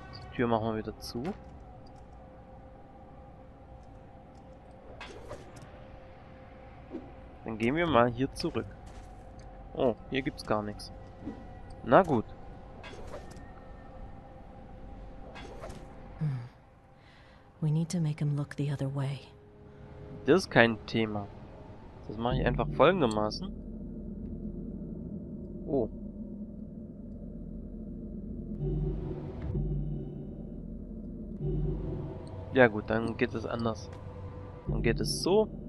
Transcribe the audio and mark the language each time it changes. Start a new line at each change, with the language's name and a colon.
German: Die Tür machen wir wieder zu. Dann gehen wir mal hier zurück. Oh, hier gibt's gar nichts. Na gut.
English: We need to make him look the other way.
German: Das ist kein Thema. Das mache ich einfach folgendermaßen. Oh. Ja gut, dann geht es anders. Dann geht es so.